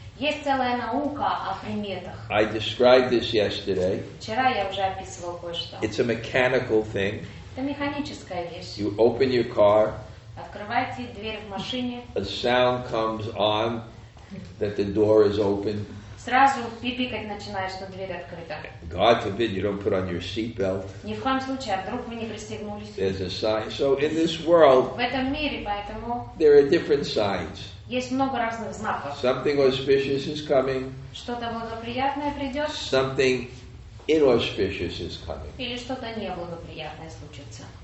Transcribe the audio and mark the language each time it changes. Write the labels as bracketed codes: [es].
[ru] Есть целая наука о приметах. [en] I described this yesterday. [ru] Вчера я уже описывал кое-что. [en] It's a mechanical thing. [ru] Это механическая вещь. [en] You open your car. [ru] Открываете дверь в машине. [en] A sound comes on that the door is open. [ru] Сразу пипикать начинаешь, что дверь открыта. [en] God forbid you don't put on your seatbelt. [ru] Ни в коем случае, а вдруг вы не пристегнулись. [en] There's a sign. So in this world. [ru] В этом мире, поэтому. [en] There are different signs. [ru] Есть много разных знаков. [en] Something auspicious is coming. [ru] Что-то благоприятное придет. [en] Something inauspicious is coming. [ru] Или что-то неблагоприятное случится.